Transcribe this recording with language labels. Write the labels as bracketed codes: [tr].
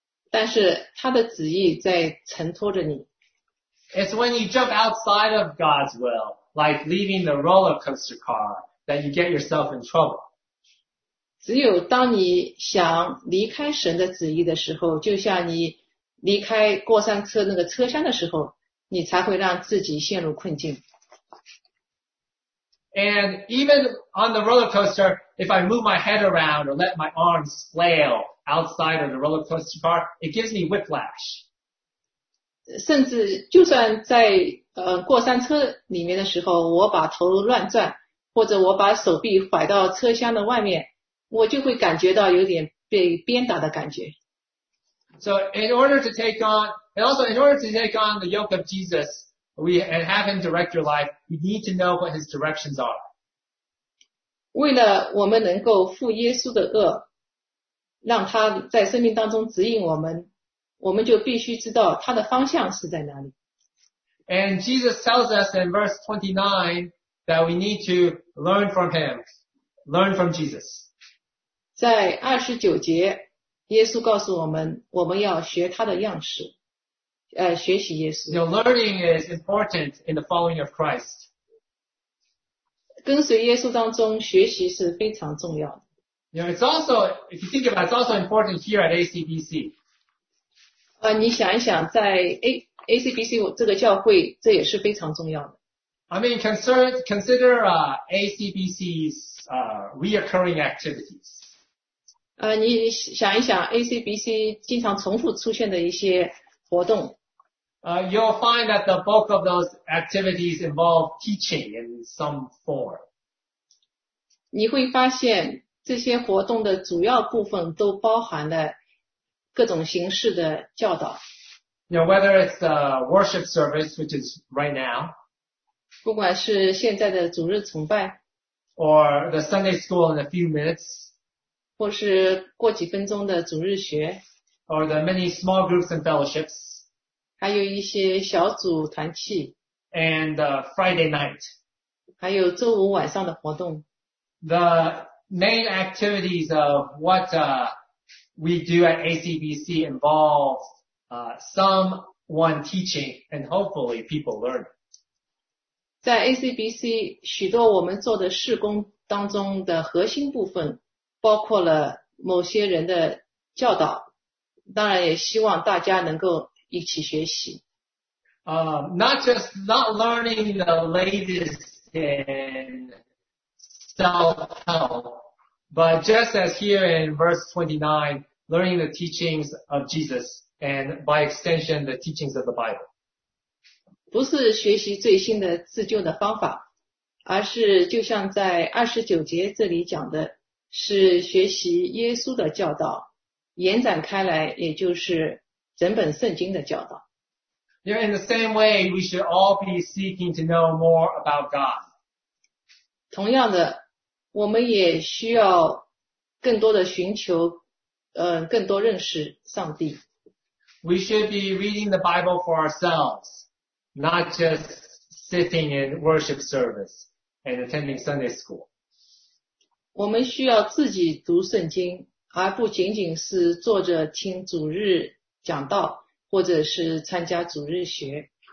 [zh] 但是他的旨意在承托着你。 [en] It's when you jump outside of God's will, like leaving the roller coaster car, that you get yourself in trouble. [zh] 只有当你想离开神的旨意的时候，就像你离开过山车那个车厢的时候，你才会让自己陷入困境。 [en] And even on the roller coaster, if I move my head around or let my arms flail outside of the roller coaster car, it gives me whiplash. [zh] 甚至就算在过山车里面的时候，我把头乱转，或者我把手臂拐到车厢的外面，我就会感觉到有点被鞭打的感觉。 [en] So in order to take on, and also in order to take on the yoke of Jesus,We, and have him direct your life, you need to know what his directions are. [zh] 为了我们能够负耶稣的轭，让他在生命当中指引我们，我们就必须知道他的方向是在哪里。 [en] And Jesus tells us in verse 29 that we need to learn from him, learn from Jesus. [zh] 在29节，耶稣告诉我们，我们要学他的样式。学习耶稣。 [en] Your learning is important in the following of Christ. [zh] 跟随耶稣当中学习是非常重要的。 [en] You know, it's also, if you think about it, it's also important here at ACBC. [zh] 你想一想在 ACBC 这个教会这也是非常重要的。 [en] I mean, consider ACBC's reoccurring activities. [zh] 你想一想 ACBC 经常重复出现的一些活动。 [en] You'll find that the bulk of those activities involve teaching in some form. [zh] 你会发现这些活动的主要部分都包含了各种形式的教导。 [en] You know, whether it's the worship service, which is right now, [zh] 不管是现在的主日崇拜 [en] or the Sunday school in a few minutes, [zh] 或是过几分钟的主日学 [en] or the many small groups and fellowships, [zh] 还有一些小组团契 [en] ，and Friday night， [zh] 还有周五晚上的活动。 [en] The main activities of what we do at ACBC involve someone teaching and hopefully people learn. [zh] 在 ACBC 许多我们做的事工当中的核心部分，包括了某些人的教导，当然也希望大家能够。一起学习。 [en] Not learning the latest in self-help, but just as here in verse 29, learning the teachings of Jesus, and by extension, the teachings of the Bible. [zh] 不是学习最新的自救的方法，而是就像在29节这里讲的，是学习耶稣的教导，延展开来，也就是整本圣经的教导。 [en] You know, in the same way, we should all be seeking to know more about God. [zh] 同样的，我们也需要更多的寻求，更多认识上帝。 [en] We should be reading the Bible for ourselves, not just sitting in worship service and attending Sunday school. [zh] 我们需要自己读圣经，而不仅仅是坐着听主日。讲道或者是参加主日学。